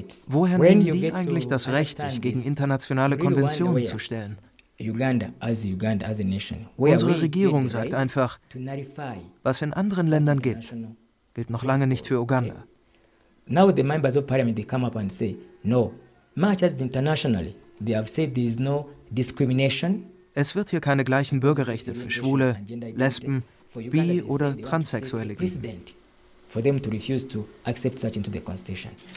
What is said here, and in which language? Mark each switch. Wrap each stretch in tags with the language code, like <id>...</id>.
<de>Woher nehmen die eigentlich das Recht, sich gegen internationale Konventionen zu stellen? Unsere Regierung sagt einfach, was in anderen Ländern gilt noch lange nicht für Uganda.</de> <en>Now the members of parliament they come up and say, no. Much as internationally, they have said there is no discrimination.</en> <de>Es wird hier keine gleichen Bürgerrechte für Schwule, Lesben, Bi- oder Transsexuelle geben.</de> <en>For them to refuse to accept such into the constitution.</en>